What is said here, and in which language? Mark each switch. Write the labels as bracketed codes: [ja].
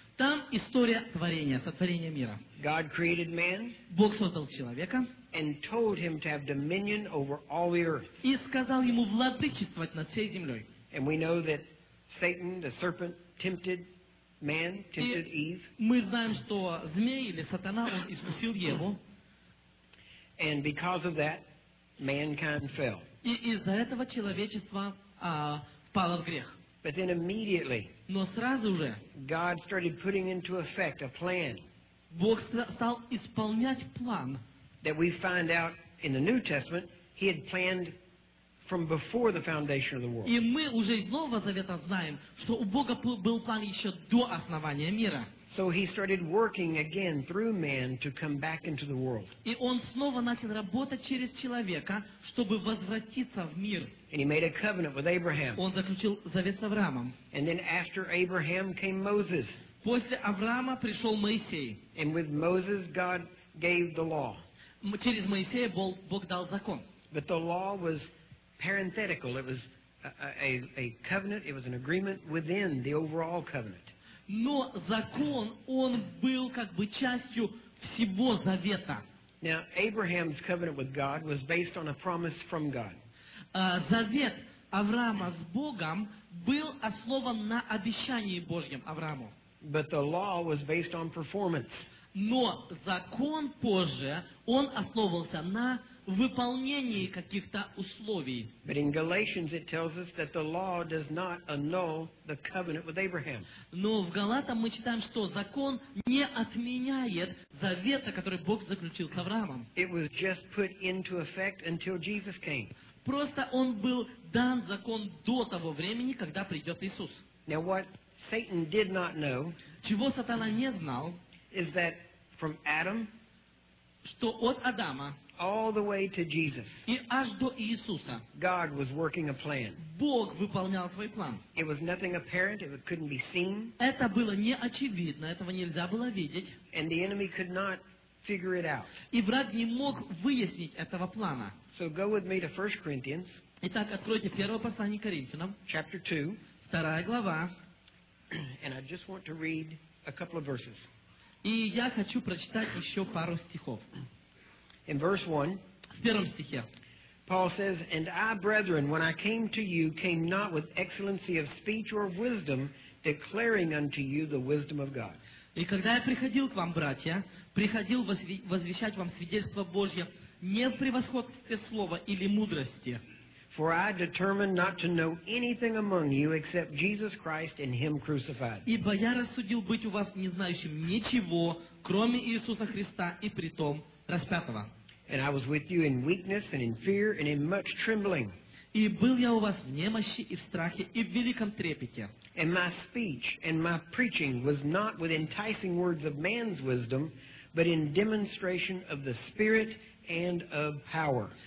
[ru] Там история творения, сотворения мира. [en] God created man, [ru] Бог создал человека, [en] and told him to have dominion over all the earth. [ru] И сказал ему владычествовать над всей землей. [en] And we know that Satan, the serpent, tempted man, tempted Eve. [ru] Мы знаем, что змей или сатана, он искусил Еву. [en] And because of that, mankind fell. [ru] И из-за этого человечество впало в грех. [en] But then immediately, [ru] но сразу же, [en] God started putting into effect a plan. [ru] Бог стал исполнять план. [en] That we find out in the New Testament, He had planned from before the foundation of the world. [ru] И мы уже из Нового Завета знаем, что у Бога был план еще до основания мира. [en] So He started working again through man to come back into the world. [ru] И он снова начал работать через человека, чтобы возвратиться в мир. [en] And He made a covenant with Abraham. [ru] Он заключил завет с Авраамом. [en] And then after Abraham came Moses. [ru] После Авраама пришел Моисей. [en] And with Moses, God gave the law. [ru] Через Моисея Бог дал закон. [en] But the law was parenthetical. It was a covenant. It was an agreement within the overall covenant. [ru] Но закон, он был как бы частью всего завета. [en] Now, Abraham's covenant with God was based on a promise from God. [ru] Завет Авраама с Богом был основан на обещании Божьем Аврааму. [en] But the law was based on performance. [ru] Но закон позже, он основывался на выполнении каких-то условий. [en] But in Galatians it tells us that the law does not annul the covenant with Abraham. [ru] Но в Галатам мы читаем, что закон не отменяет завета, который Бог заключил с Авраамом. [en] It was just put into effect until Jesus came. [ru] Просто он был дан закон до того времени, когда придет Иисус. [en] Now what Satan did not know, [ru] чего сатана не знал, [en] is that from Adam, [ru] что от Адама, [en] all the way to Jesus. [ru] И аж до Иисуса. [en] God was working a plan. [ru] Бог выполнял свой план. [en] It was nothing apparent, it couldn't be seen. [ru] Это было не очевидно, этого нельзя было видеть. [en] And the enemy could not figure it out. [ru] И враг не мог выяснить этого плана. [en] So go with me to 1 Corinthians. [ru] Итак, откройте первое послание Коринфянам. [en] Chapter 2. [ru] Вторая глава. [en] And I just want to read a couple of verses. [ru] И я хочу прочитать еще пару стихов. [en] In verse 1, [ru] в первом стихе, [en] Paul says, "And I, brethren, when I came to you, came not with excellency of speech or of wisdom, declaring unto you the wisdom of God." [ru] И когда я приходил к вам, братья, приходил возвещать вам свидетельство Божье не в превосходстве слова или мудрости. [en] For I determined not to know anything among you except Jesus Christ and Him crucified. [ru] Ибо я рассудил быть у вас не знающим ничего, кроме Иисуса Христа и притом распятого. [en] And I was with you in weakness and in fear and in much trembling. [ru] И был я у вас в немощи и в страхе и в великом трепете. [en] And my speech and my preaching was not with enticing words of man's wisdom, but in demonstration of the Spirit and of power.